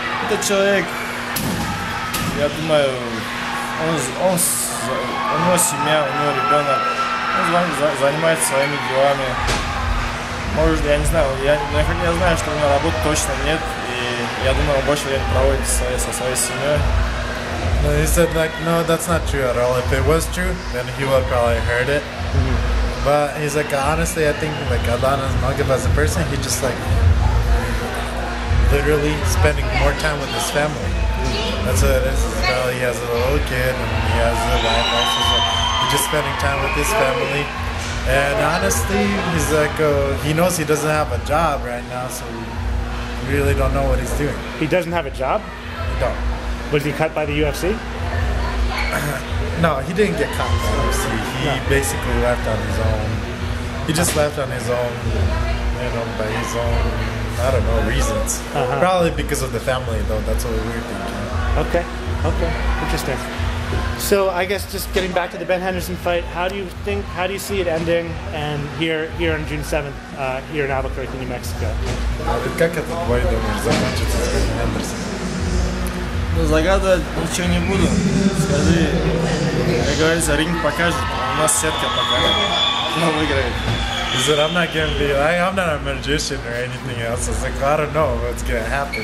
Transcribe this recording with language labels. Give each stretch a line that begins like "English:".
Russian: Этот человек, я думаю, у него семья, у него ребенок, он занимается своими делами. Может, я не знаю, я знаю, что у него работы точно нет, и я думаю, больше времени проводит со своей семьей.
English: No, he said, no, that's not true at all. If it was true, then he would probably heard it. Mm-hmm. But he's like, honestly, I think, Adlan Amagov as a person, he just, literally spending more time with his family. Mm-hmm. That's what it is. Well, he has a little kid, and he has a wife also, so he's just spending time with his family. And honestly, he's he knows he doesn't have a job right now, so we really don't know what he's doing. He doesn't have a job? No. Was he cut by the UFC? No, he didn't get cut by the UFC. Basically left on his own. He just left on his own, by his own, reasons. Uh-huh. Probably because of the family, though. That's what we're thinking. Okay. Interesting. So I guess just getting back to the Ben Henderson fight, how do you see it ending? And here on June 7th, here in Albuquerque, New Mexico.
Russian: Как этот бой думаешь закончится с Беном Хендерсоном? Ну загадывать ничего не буду. Скажи, я говорю, за ринг покажет, у нас сетка покажет, кто выиграет.
English: He said, I'm not going to be, like, I'm not a magician or anything else. I was like, well, I don't know what's going to happen.